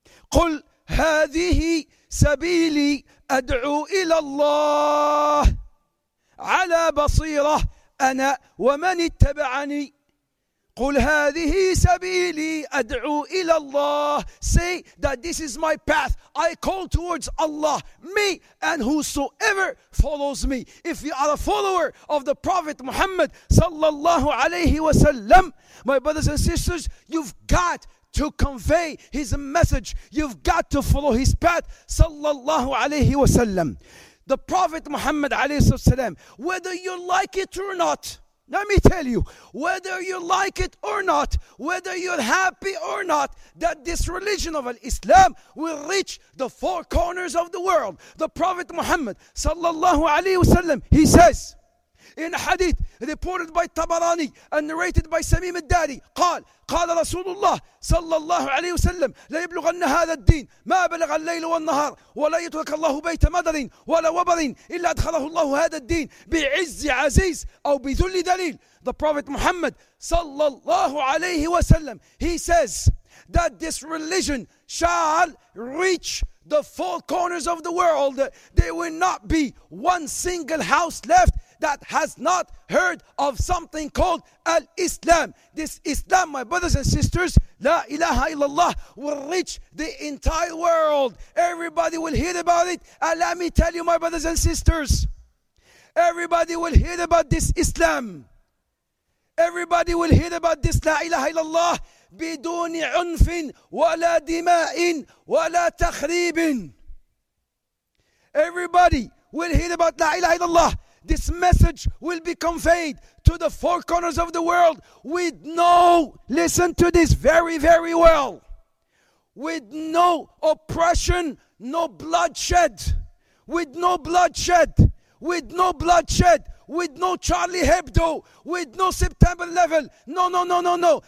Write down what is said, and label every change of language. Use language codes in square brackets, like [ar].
[ar] قل هذه سبيلي أدعو إلى الله على بصيرة أنا ومن اتبعني. قل هذه سبيلي أدعو إلى الله. [en] Say that this is my path. I call towards Allah, me and whosoever follows me. If you are a follower of the Prophet Muhammad sallallahu alayhi wasallam, my brothers and sisters, you've got to convey his message. You've got to follow his path, sallallahu alayhi wasallam. The Prophet Muhammad alayhi wasallam, whether you like it or not, let me tell you, whether you like it or not, whether you're happy or not, that this religion of Islam will reach the four corners of the world. The Prophet Muhammad sallallahu alayhi wasallam, he says, in a hadith reported by Tabarani and narrated by Samim al-Dari, [ar] قال رسول الله صلى الله عليه وسلم لا يبلغن هذا الدين ما بلغ الليل والنهار ولا يترك الله بيت مدر ولا وبر إلا أدخله الله هذا الدين بعز عزيز أو بذل دليل. [en] The Prophet Muhammad [ar] صلى الله عليه وسلم, [en] he says that this religion shall reach the four corners of the world. There will not be one single house left that has not heard of something called Al-Islam. This Islam, my brothers and sisters, La ilaha illallah, will reach the entire world. Everybody will hear about it. And let me tell you, my brothers and sisters, everybody will hear about this Islam. Everybody will hear about this La ilaha illallah. [ar] بدون عنف ولا دماء ولا تخريب. [en] Everybody will hear about La ilaha illallah. This message will be conveyed to the four corners of the world with no, listen to this very, very well, with no oppression, no bloodshed, with no bloodshed, with no bloodshed, with no Charlie Hebdo, with no September 11. No.